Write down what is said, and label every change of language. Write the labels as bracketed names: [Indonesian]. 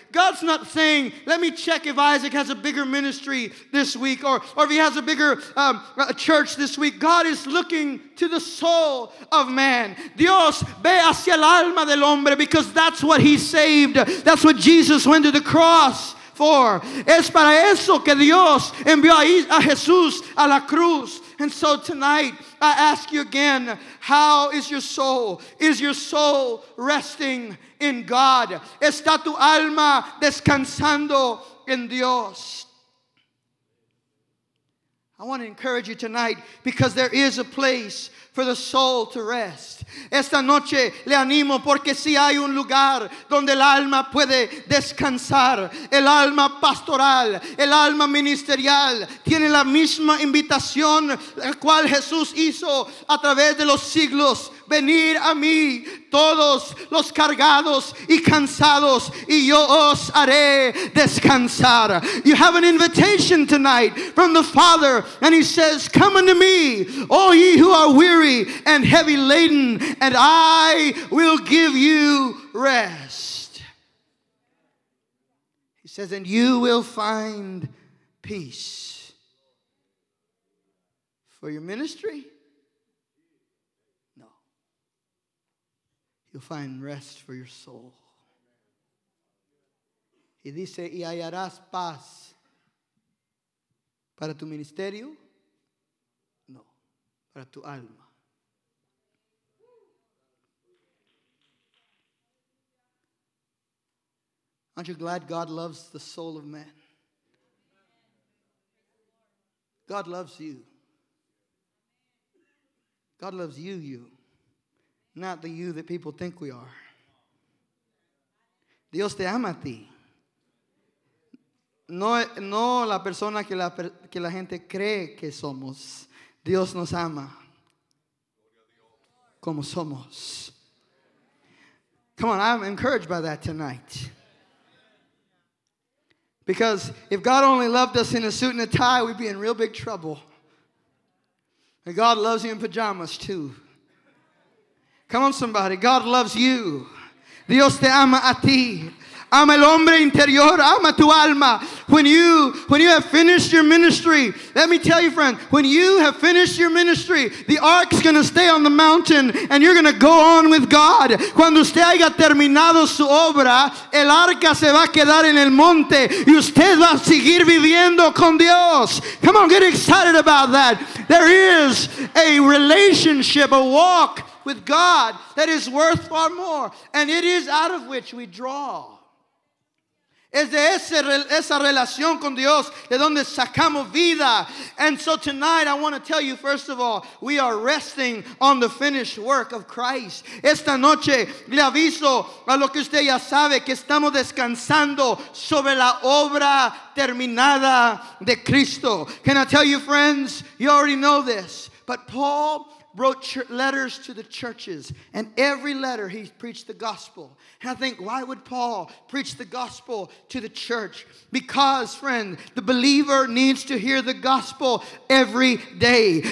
[English] God's not saying, let me check if Isaac has a bigger ministry this week or if he has a bigger church this week. God is looking to the soul of man. [Spanish] Dios ve hacia el alma del hombre, [English] because that's what he saved. That's what Jesus went to the cross for. [Spanish] Es para eso que Dios envió a Jesús a la cruz. [English] And so tonight, I ask you again, how is your soul? Is your soul resting in God? [Spanish] ¿Está tu alma descansando en Dios? [English] I want to encourage you tonight because there is a place for the soul to rest. [Spanish] Esta noche le animo porque si hay un lugar donde el alma puede descansar. El alma pastoral, el alma ministerial tiene la misma invitación la cual Jesús hizo a través de los siglos. Venid a mí todos los cargados y cansados y yo os haré descansar. [English] You have an invitation tonight from the Father and he says, come unto me, all ye who are weary and heavy laden, and I will give you rest. He says, and you will find peace for your ministry. You'll find rest for your soul. [Spanish] Y dice, y hallarás paz para tu ministerio. No, para tu alma. [English] Aren't you glad God loves the soul of man? God loves you. God loves you, you. Not the you that people think we are. [Spanish] Dios te ama a ti. No la persona que la gente cree que somos. Dios nos ama como somos. [English] Come on, I'm encouraged by that tonight. Because if God only loved us in a suit and a tie, we'd be in real big trouble. And God loves you in pajamas too. Come on, somebody. God loves you. [Spanish] Dios te ama a ti. Ama el hombre interior. Ama tu alma. [English] When you have finished your ministry, let me tell you, friend, when you have finished your ministry, the ark's going to stay on the mountain and you're going to go on with God. [Spanish] Cuando usted haya terminado su obra, el arca se va a quedar en el monte y usted va a seguir viviendo con Dios. [English] Come on, get excited about that. There is a relationship, a walk with God that is worth far more, and it is out of which we draw. [Spanish] Es de esa relación con Dios de donde sacamos vida. [English] And so tonight I want to tell you, first of all, we are resting on the finished work of Christ. [Spanish] Esta noche le aviso a lo que usted ya sabe que estamos descansando sobre la obra terminada de Cristo. [English] Can I tell you, friends, you already know this, but Paul wrote letters to the churches, and every letter he preached the gospel. And I think, why would Paul preach the gospel to the church? Because, friend, the believer needs to hear the gospel every day.